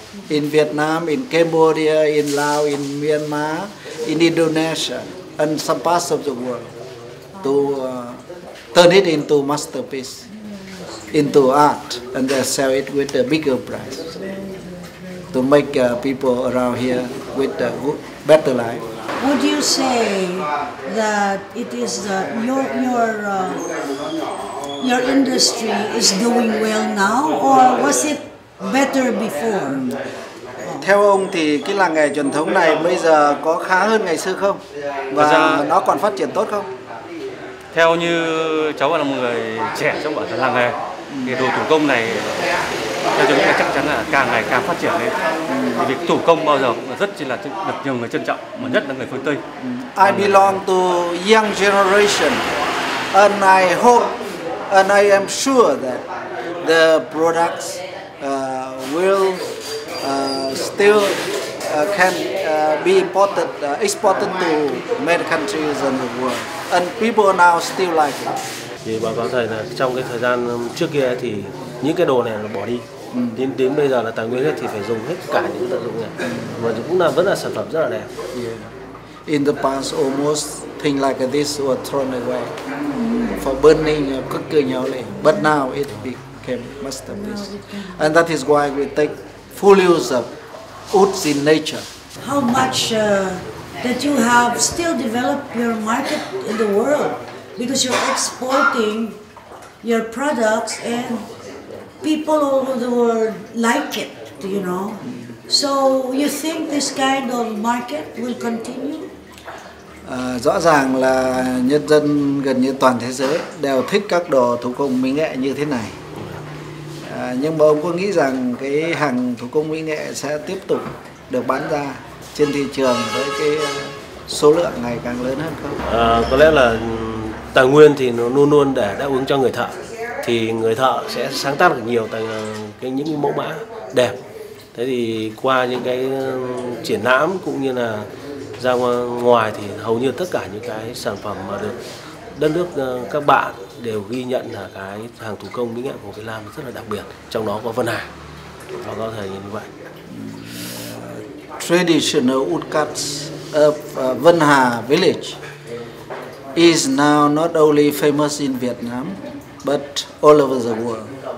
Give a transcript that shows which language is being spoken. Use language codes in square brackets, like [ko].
[en] In Vietnam, in Cambodia, in Laos, in Myanmar, in Indonesia, and some parts of the world, to turn it into masterpiece, into art, and they sell it with a bigger price to make people around here with a better life. Would you say that it is your industry is doing well now, or was it better before? [vi] Theo ông thì cái làng nghề truyền thống này bây giờ có khá hơn ngày xưa không? Và nó còn phát triển tốt không? Theo như cháu là một người trẻ trong bản làng nghề, thì đồ thủ công này theo chúng tôi chắc chắn là càng ngày càng phát triển lên. Thì việc thủ công bao giờ cũng rất là được nhiều người trân trọng, mà nhất là người phương Tây. [en] I belong to young generation and I hope and I am sure that the products will still can be imported, exported to many countries in the world. And people now still like it. [vi] Thì báo cáo thầy là trong cái thời gian trước kia thì những cái đồ này là bỏ đi. Đến bây giờ là tài nguyên hết thì phải dùng hết cả những vật dụng này. Mà cũng là vẫn là sản phẩm rất là đẹp. [en] Yeah. In the past, almost things like this were thrown away for burning, cooking only. But now it became masterpiece. And that is why we take full use of woods in nature. How much that you have still developed your market in the world? Because you're exporting your products and people all over the world like it, you know. So you think this kind of market will continue? [vi] Rõ ràng là nhân dân gần như toàn thế giới đều thích các đồ thủ công mỹ nghệ như thế này. Nhưng mà ông có nghĩ rằng cái hàng thủ công mỹ nghệ sẽ tiếp tục được bán ra trên thị trường với cái số lượng ngày càng lớn hơn không? Có lẽ là tài nguyên thì nó luôn luôn để đáp ứng cho người thợ, thì người thợ sẽ sáng tác được nhiều những mẫu mã đẹp. Thế thì qua những cái triển lãm cũng như là ra ngoài thì hầu như tất cả những cái sản phẩm mà được đất nước các bạn đều ghi nhận là cái hàng thủ công mỹ nghệ của Việt Nam rất là đặc biệt, trong đó có Vân Hải. Và có thể như vậy. [en] Traditional woodcuts of Vân Hà Village is now not only famous in Vietnam, but all over the world.